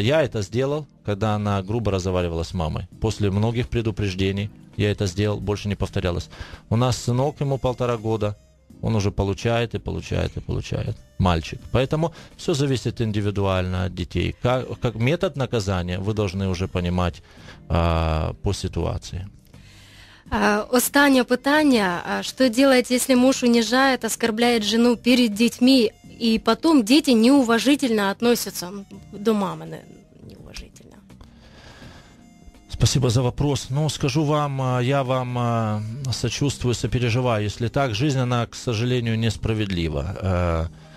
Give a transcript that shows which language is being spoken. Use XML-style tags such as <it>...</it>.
<ru>Я это сделал, когда она грубо разговаривала с мамой. После многих предупреждений я это сделал, больше не повторялось. У нас сынок, ему 1.5 года, он уже получает и получает и получает. Мальчик. Поэтому все зависит индивидуально от детей. Как метод наказания вы должны уже понимать по ситуации.</ru> <uk>Останнє питання. Що робити, якщо муж унижає та оскорбляє жену перед дітьми, і потім діти неуважительно відносяться до мами?</uk> <ru>Неуважительно. Спасибо за вопрос. Ну, скажу вам, я вам сочувствую, сопереживаю. Если так, жизнь, она, к сожалению, несправедлива.</ru>